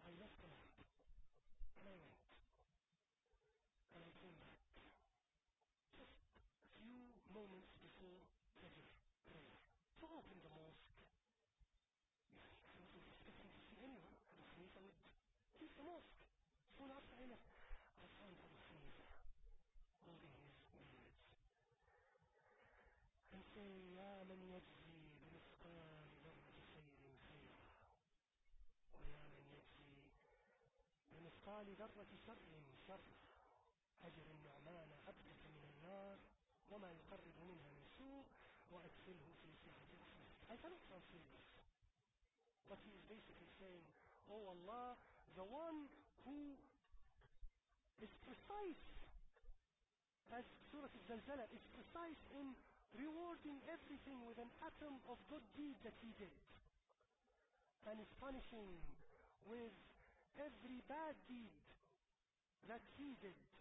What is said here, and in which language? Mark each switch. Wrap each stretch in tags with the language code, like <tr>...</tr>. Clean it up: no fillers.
<en>I left the lamp, and I went, and I came back just a few moments before the prayer, to open the mosque. I wasn't expecting to see anyone. Abu Hanifa would leave the mosque. Soon after I left, I found Abu Hanifa holding his words and saying,</en> <ar>يَا مَنْ يَجْزِي بِمِثْقَالِ ذَرَّةِ خَيْرٍ خَيْرًا وَيَا مَنْ يَجْزِي بِمِثْقَالِ ذَرَّةِ شَرٍّ شَرًّا أَجْرُ النُّعْمَانَ أَبْدَكَ مِنَ النَّارِ وَمَا يُقَرِّبُ مِنْهَا مِنْ سُوءٍ وَأَكْفِلْهُ فِي سِعَةِ رَحْمَتِكَ.</ar> <en>I cannot translate this. But he is basically saying, oh Allah, the one who is precise, as Surah Al-Zalzala is precise in rewarding everything with an atom of good deed that he did, and is punishing with every bad deed that he did.</en>